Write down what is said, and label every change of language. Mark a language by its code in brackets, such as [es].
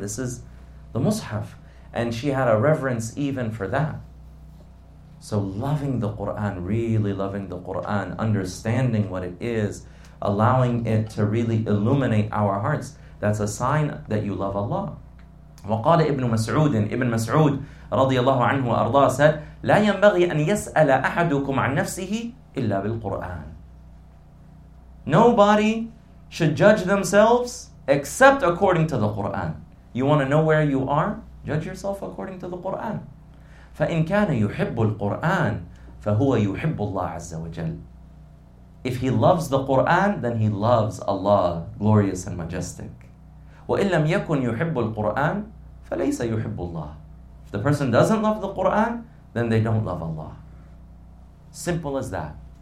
[en] This is the Mus'haf. And she had a reverence even for that. So loving the Qur'an, really loving the Qur'an, understanding what it is, allowing it to really illuminate our hearts, that's a sign that you love Allah. [ar] وقال ابن مسعود, ابن مسعود رضي الله عنه وأرضاه said, لا ينبغي أن يسأل أحدكم عن نفسه إلا بالقرآن. [en] Nobody should judge themselves except according to the Quran. You want to know where you are? Judge yourself according to the Quran. [ar] فإن كان يحب القرآن فهو يحب الله عز وجل. [en] If he loves the Quran, then he loves Allah, glorious and majestic. [ar] وَإِنْ لَمْ يَكُنْ يُحِبُّ الْقُرْآنِ فَلَيْسَ يُحِبُّ اللَّهِ. [en] If the person doesn't love the Qur'an, then they don't love Allah. Simple as that.